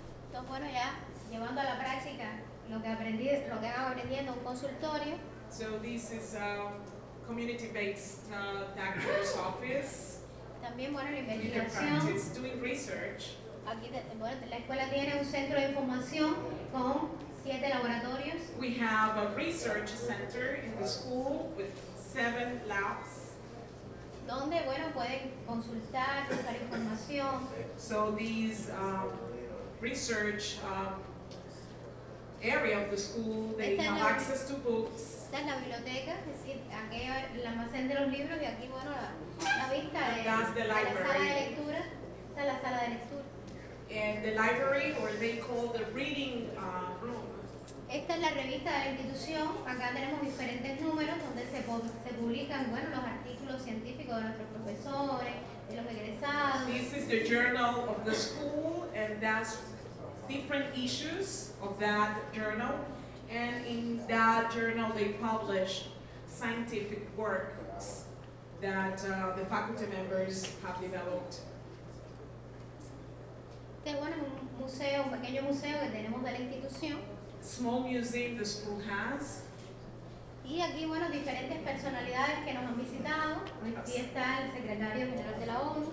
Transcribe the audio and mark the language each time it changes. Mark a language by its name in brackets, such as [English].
[Spanish] Entonces, bueno, ya llevando a la práctica lo que aprendí, lo que hago aprendiendo en un consultorio. [English] So this is a community-based doctor's office. [Spanish] También, bueno, la investigación. [English] Practice, doing research. [Spanish] Aquí, bueno, la escuela tiene un centro de información con siete laboratorios. [English] We have a research center in the school with seven labs. [Spanish] Donde, bueno, pueden consultar, buscar información. [English] So these research area of the school, they [Spanish] esta [English] have access to books. [Spanish] Esta es la biblioteca, es decir, aquí el almacén de los libros y aquí, bueno, la vista de la sala de lectura. Esta es la sala de lectura. [English] And the library, or they call the reading room. [Spanish] Esta es la revista de la institución. Acá tenemos diferentes números donde se publican, bueno, los artículos científicos de nuestros profesores, de los egresados. [English] This is the journal of the school, and that's different issues of that journal. And in that journal, they publish scientific works that the faculty members have developed. [Spanish] Este es un museo, un pequeño museo que tenemos de la institución. [English] Small museum the school has. [Spanish] Y aquí, bueno, diferentes personalidades que nos han visitado. Aquí está el secretario general de la ONU.